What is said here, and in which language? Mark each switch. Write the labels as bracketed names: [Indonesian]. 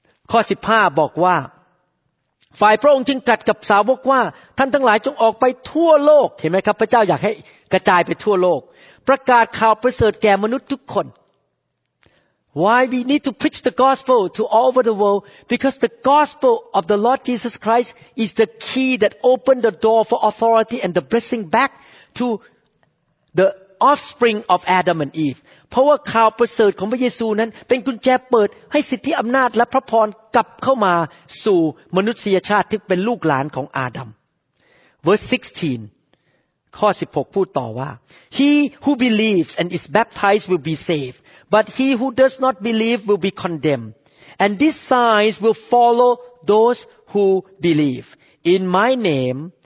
[Thai] ข้อ15บอกว่าฝ่ายพระองค์จึงตรัสกับสาวกว่าท่านทั้งหลายจงออกไปทั่วโลกเห็นไหมครับพระเจ้าอยากให้กระจายไปทั่วโลกประกาศข่าวประเสริฐแก่มนุษย์ทุกคน [English] Why we need to preach the gospel to all over the world? Because the gospel of the Lord Jesus Christ is the key that opened the door for authority and the blessing back to the offspring of Adam and Eve. [Thai] เพราะว่าข่าวประเสริฐของพระเยซูนั้นเป็นกุญแจเปิดให้สิทธิอำนาจและพระพรกลับเข้ามาสู่มนุษยชาติที่เป็นลูกหลานของอาดัม [English] Verse 16 [Thai] ข้อ16พูดต่อว่า [English] He who believes and is baptized will be saved but he who does not believe will be condemned and these signs will follow those who believe in my name